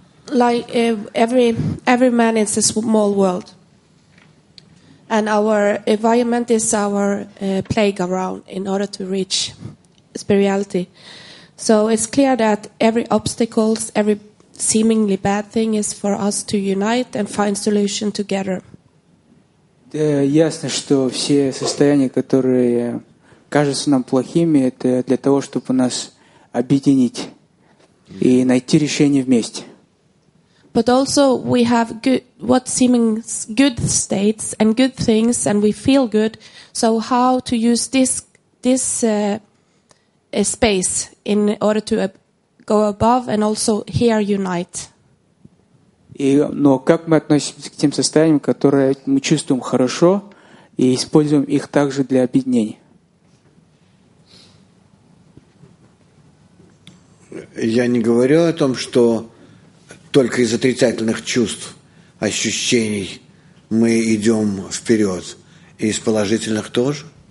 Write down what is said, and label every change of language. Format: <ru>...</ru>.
<en>Like every man is a small world, and our environment is our playground in order to reach spirituality. So it's clear that every obstacles, every seemingly bad thing is for us to unite and find solution together.</en> <ru>Ясно, что все состояния, которые кажутся нам плохими, это для того, чтобы нас объединить. И найти решение вместе.</ru> <en>But also we have good, what seeming good states and good things, and we feel good. So how to use this space in order to go above and also here unite?</en> <ru>Но как мы относимся к тем состояниям, которые мы чувствуем хорошо, и используем их также для объединения? Я не говорю о том, что только из отрицательных чувств, ощущений мы идем вперед, и из положительных тоже.</ru>